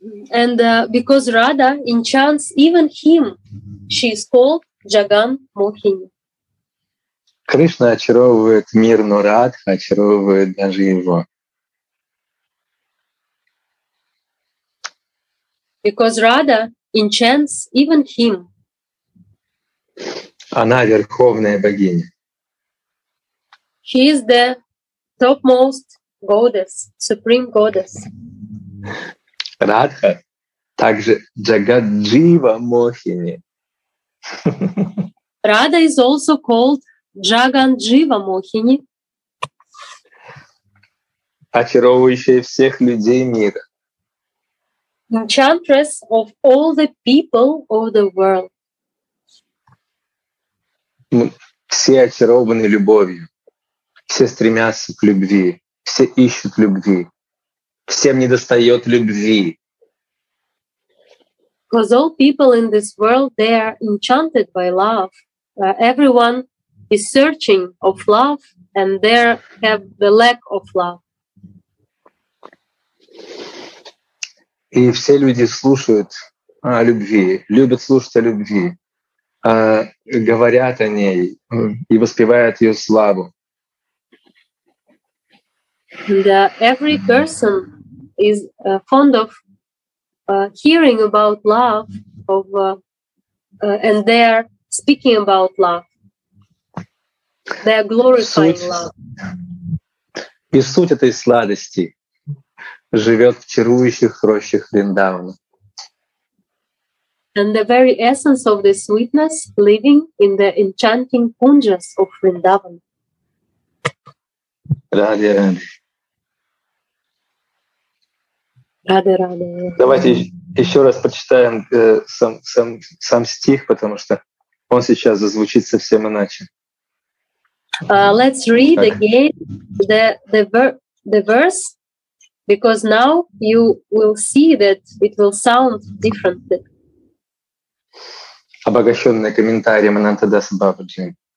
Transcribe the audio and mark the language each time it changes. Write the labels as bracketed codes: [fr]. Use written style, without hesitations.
[en] And because Radha enchants even him, she is called Jagan Mohini. [ru] Кришна очаровывает мир, но Радха очаровывает даже его. [en] Because Radha enchants even him. [ru] Она верховная богиня. [en] She is the topmost goddess, supreme goddess. [ru] Радха также Джагаджива Мохини. [en] Radha is also called Джаганджива Мохини. [ru] Очаровывающая всех людей мира. [en] Enchantress of all the people of the world. [ru] Все очарованы любовью. Все стремятся к любви. Все ищут любви. Всем недостает любви. [en] Because all people in this world, they are enchanted by love. Everyone is searching of love and they have the lack of love. [ru] И все люди слушают о любви, любят слушать о любви, говорят о ней и воспевают ее славу. [en] And every person is fond of hearing about love of and they are speaking about love. They are glorifying love. [ru] И суть этой сладости живет в чарующих рощах Вриндавана. [en] And the very essence of the sweetness living in the enchanting kunjas of Vrindavan. [ru] Раде, раде. Раде, раде. Давайте еще раз прочитаем сам стих, потому что он сейчас зазвучит совсем иначе. [en] Let's read [ru] так. [en] Again the verse. Because now you will see that it will sound differently. [ru] Обогащённый комментарием Анантадаса Бабаджи.